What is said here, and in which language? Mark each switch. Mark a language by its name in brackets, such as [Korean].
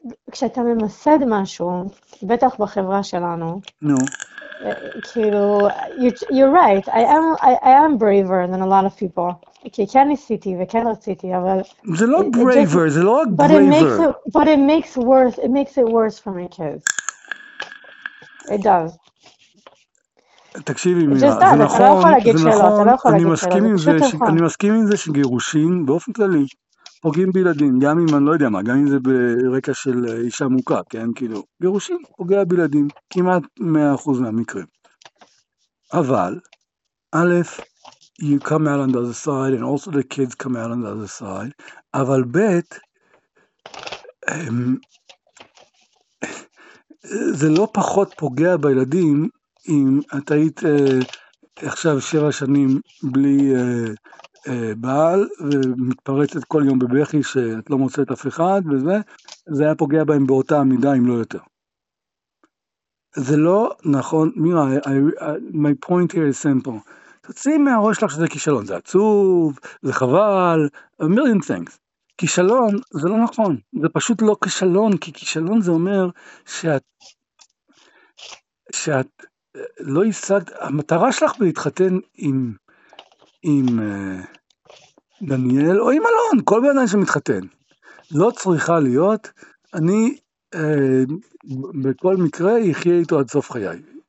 [Hebrew] כשאתה ממסד משהו, בטח בחברה שלנו, נו, כאילו, [English] you're right, I am braver than a lot of people, [Hebrew] כי כן ניסיתי וכן רציתי, אבל... זה לא braver, זה לא braver. [English] But it makes it worse, it makes it worse for my kids. It does. [Hebrew] תקשיבי, זה נכון, זה נכון, אני מסכים עם זה שגירושין, באופן כללי, פוגעים בילדים, גם אם אני לא יודע מה, גם אם זה ברקע של אישה מוכה, כן, כאילו, גירושים פוגע בילדים, כמעט 100% מהמקרים. אבל, א', [English] you come out on the other side, and also the kids come out on the other side, [Hebrew] אבל ב', זה לא פחות פוגע בילדים אם את היית עכשיו 7 שנים בלי בעל ומתפרצת כל יום בבכי שאת לא מוצאת אף אחד, וזה זה היה פוגע בהם באותה מידה אם לא יותר. זה לא נכון, [English] מירה, my point here is simple. [Hebrew] תוציאי מהראש שלך שזה כישלון, זה עצוב, זה חבל, [English] a million things. [Hebrew] כישלון זה לא נכון, זה פשוט לא כישלון, כי כישלון זה אומר שאת לא השגת, המטרה שלך בלהתחתן עם דניאל או עם אלון, כל בן אדם שמתחתן, לא צריכה להיות, אני בכל מקרה יחיה איתו עד סוף חיי.